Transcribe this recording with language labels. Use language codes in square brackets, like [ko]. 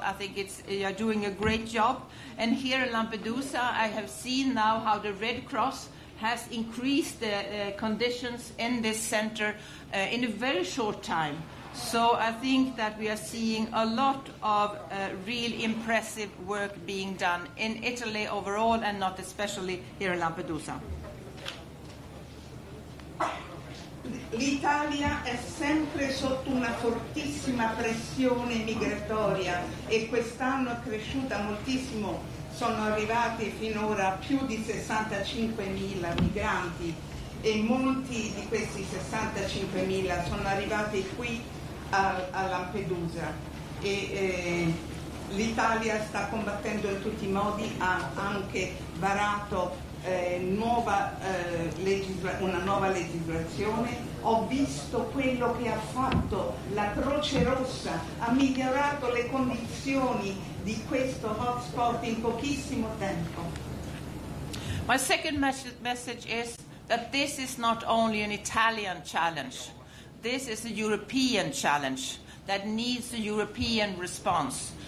[en] I think you are doing a great job. And here in Lampedusa, I have seen now how the Red Cross has increased the conditions in this center in a very short time. So I think that we are seeing a lot of real impressive work being done in Italy overall, and not especially here in Lampedusa. [it] L'Italia è sempre sotto una fortissima pressione migratoria e quest'anno è cresciuta moltissimo. Sono arrivati finora più di 65.000 migranti e molti di questi 65.000 sono arrivati qui a Lampedusa. L'Italia sta combattendo in tutti i modi, ha anche varato una nuova legislazione. Ho visto quello che ha fatto la Croce Rossa, ha migliorato le condizioni di questo hotspot in pochissimo tempo. [en] My second message is that this is not only an Italian challenge. This is a European challenge that needs a European response.